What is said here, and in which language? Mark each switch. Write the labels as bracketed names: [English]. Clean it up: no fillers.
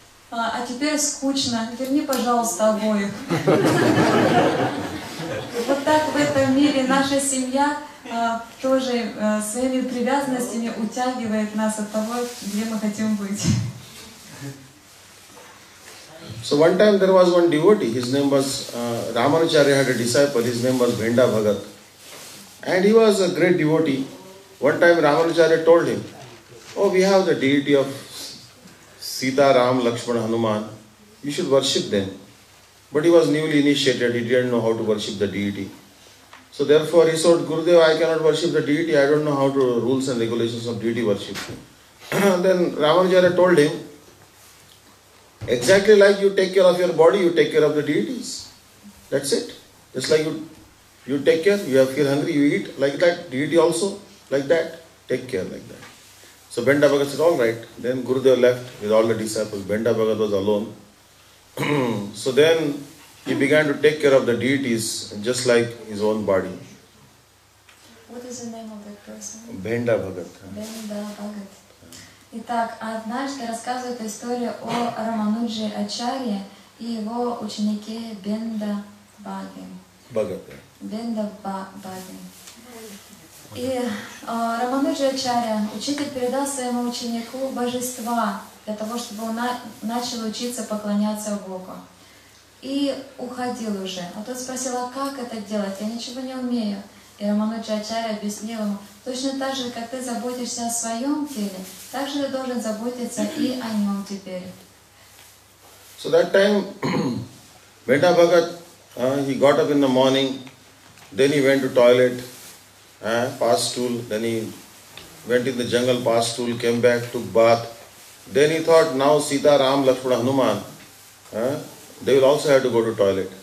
[Russian] А теперь скучно. Верни, пожалуйста, обоих». Вот так в этом мире наша семья тоже своими привязанностями утягивает нас от того, где мы хотим быть. [English] So one time there was one devotee, his name was Ramanacharya, had a disciple, his name was Venda Bhagat. And he was a great devotee. One time Ramanacharya told him, "Oh, we have the deity of Sita, Ram, Lakshman, Hanuman, you should worship them." But he was newly initiated, he didn't know how to worship the deity. So therefore he said, "Gurudev, I cannot worship the deity, I don't know how to rules and regulations of deity worship." Then Ramanujara told him, "Exactly like you take care of your body, you take care of the deities. That's it. Just like you take care, you feel hungry, you eat like that, deity also like that, take care like that." So Venda Bhagat said, "All right." Then Gurudev left with all the disciples. Venda Bhagat was alone. So then he began to take care of the deities just like his own body. What is the name of that person? Venda Bhagat. Venda Bhagat. [Russian] Итак, однажды рассказывает историю о Рамануджи Ачарье и его ученике Бенда Баги. Бхагат. Бенда Баги. И Рамануджи Ачарья, учитель, передал своему ученику божества для того, чтобы он начал учиться поклоняться Богу. И уходил уже. А тот спросил: «А как это делать? Я ничего не умею». И Рамануджи Ачарья объяснил ему: «Точно так же, как ты заботишься о своем теле, так же ты должен заботиться и о нем теперь». [English] So that time, Venda Bhagat, he got up in the morning, then he went to toilet, passed stool, then he went in the jungle, passed stool, came back, took bath. Then he thought, now Sita, Ram, Lakshmana, Hanuman, they will also have to go to toilet.